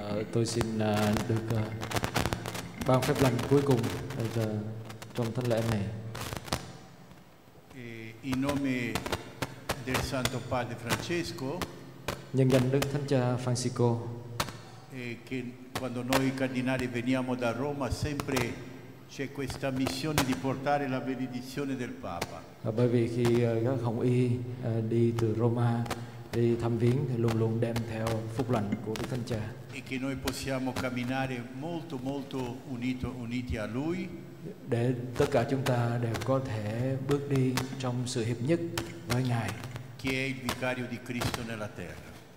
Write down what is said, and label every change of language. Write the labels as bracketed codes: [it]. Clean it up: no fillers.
[vi] Tôi xin được ban phép lành cuối cùng trong thánh lễ này. [it] In nome del Santo Padre Francesco. [vi] Nhân danh Đức Thánh Cha Francisco. [it] Che quando noi cardinali veniamo da Roma sempre c'è questa missione di portare la benedizione del Papa. [vi] Bởi vì khi các Hồng Y đi từ Roma đi thăm viếng thì luôn luôn đem theo phúc lành của Đức Thánh Cha. [it] E che noi possiamo camminare molto molto uniti a lui. [vi] Để tất cả chúng ta đều có thể bước đi trong sự hiệp nhất với Ngài. [it] Che è il vicario di Cristo nella terra.